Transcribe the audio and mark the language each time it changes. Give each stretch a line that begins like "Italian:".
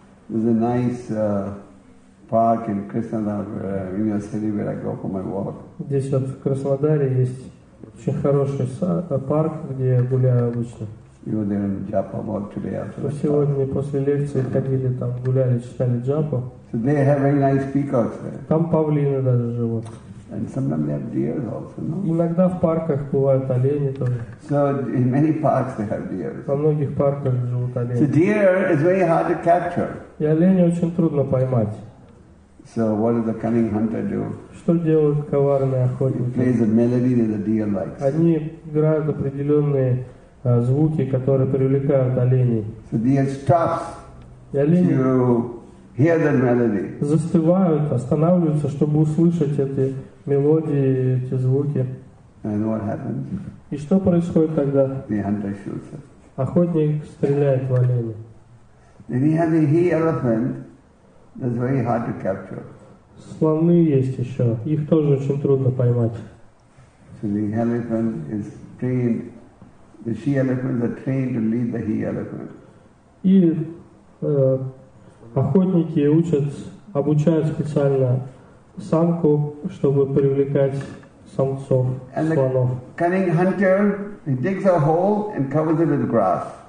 English: There's a nice park in Krasnodar, in your city where I go for my walk.
Russian: Здесь вот в Краснодаре есть очень хороший парк, где я гуляю обычно.
English: You were there in Japa walk today after.
Russian: Сегодня после лекции ходили там, гуляли, читали Джапу.
English: So they have very nice peacocks there.
Russian: Там павлины даже живут.
English: And sometimes they have deer also, no?
Russian: Иногда в парках бывают олени тоже.
English: So in many parks they have deer.
Russian: Во многих парках живут олени.
English: So deer is very hard to capture.
Russian: И олени очень трудно поймать.
English: So what does the cunning hunter do?
Russian: Что делают коварные охотники?
English: He plays a melody that the deer likes.
Russian: Они играют определенные звуки, которые привлекают оленей.
English: So deer stops to hear the melody.
Russian: Застывают, останавливаются, чтобы услышать эти мелодии, эти звуки.
English: And what happens?
Russian: И что происходит тогда?
English: The hunter shoots it.
Russian: Охотник стреляет в оленя.
English: Then you have the he-elephant. That's very hard to capture.
Russian: Слоны есть еще, их тоже очень трудно поймать.
English: So the elephant is trained. The she-elephants are trained to lead the he-elephant.
Russian: И охотники обучают специально самку, чтобы привлекать самцов,
English: and
Russian: слонов.
English: The cunning hunter, he digs a hole and covers it with grass.